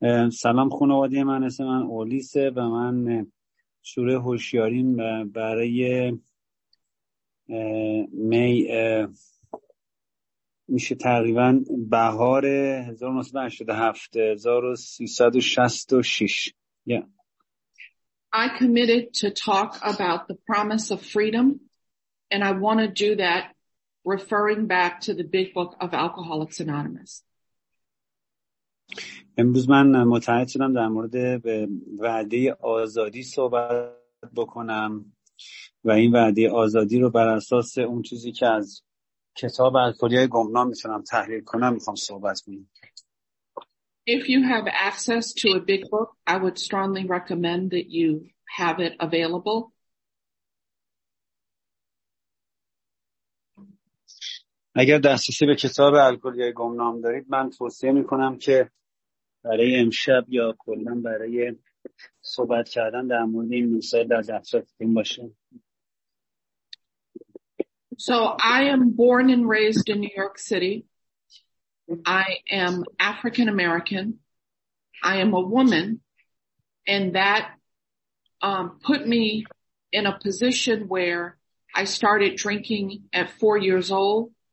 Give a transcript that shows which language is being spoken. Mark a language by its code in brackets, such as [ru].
[fa] Salam, khonavadi man. Esme man Olise va man shure hoshyarim baraye May میشه تقریبا بهار 1987 1366. [en] I committed to talk about the promise of freedom and I want to do that referring back to the big book of Alcoholics Anonymous. [fa] امروز من متعهد شدم در مورد به وعده آزادی صحبت بکنم و این وعده آزادی رو بر اساس اون چیزی که از کتاب الکلی‌های گمنام میتونم تحلیل کنم میخوام صحبت کنم. [en] If you have access to a big book, I would strongly recommend that you have it available. [fa] اگر دسترسی به کتاب الکلی‌های گمنام دارید من توصیه میکنم که برای امشب یا کلن برای صحبت کردن در مورد این مسائل در دسترستون باشه. [en] So I am born and raised in New York City. I am African American. I am a woman. And that put me in a position where I started drinking at 4 years old.